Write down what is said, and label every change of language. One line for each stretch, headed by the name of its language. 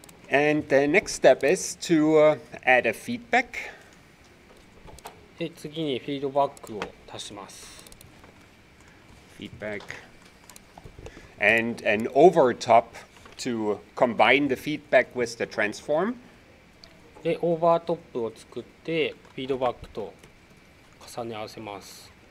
English: And the next step is to add a feedback.
Japanese: で、次にフィードバックを足します。
English: Feedback and an over top to combine the feedback with the transform.
Japanese: で、オーバートップを作ってフィードバックと重ね合わせます。